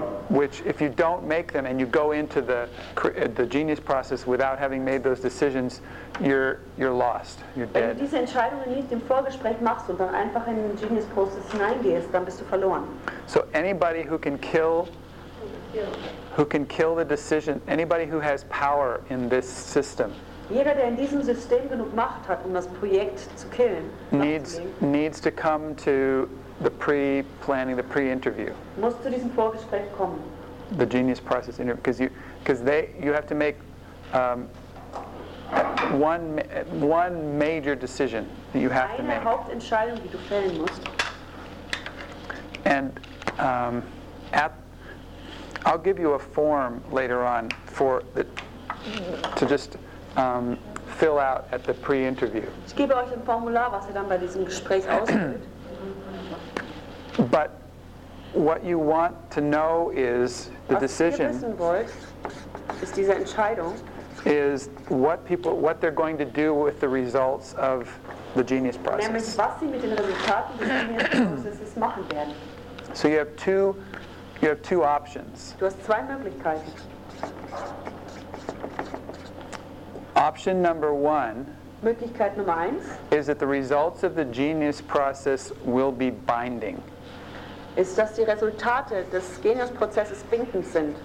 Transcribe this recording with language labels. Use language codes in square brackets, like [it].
[en] Which if you don't make them and you go into the genius process without having made those decisions, you're lost. You're dead. [de] Wenn du diese Entscheidungen nicht im Vorgespräch machst und dann einfach in den genius process hineingehst, dann bist du verloren. [en] So anybody who can kill the decision, anybody who has power in this system. [de] Jeder, der in diesem System genug Macht hat, um das Projekt zu killen, [en] needs to come to the pre-planning, the pre-interview. [de] Musst zu diesem Vorgespräch kommen. [en] The genius process interview, because you have to make one major decision that you have [de] eine [en] to make. [de] Eine Hauptentscheidung, die du fällen musst. [en] And I'll give you a form later on for to just fill out at the pre-interview. [de] Ich gebe euch ein Formular, was ihr dann bei diesem Gespräch ausfüllt. [en] But what you want to know is the [de] was [en] decision. [de] Was ihr wissen wollt, ist diese Entscheidung. [en] Is what they're going to do with the results of the genius process. [de] Nämlich was sie mit den Resultaten des Geniusprozesses machen werden. [en] So you have two. You have two options. [de] Du hast zwei Möglichkeiten. [en] Option number one. [de] Möglichkeit Nummer eins. [en] Is that the results of the genius process will be binding. [de] Ist, dass die Resultate des Genius-Prozesses bindend sind.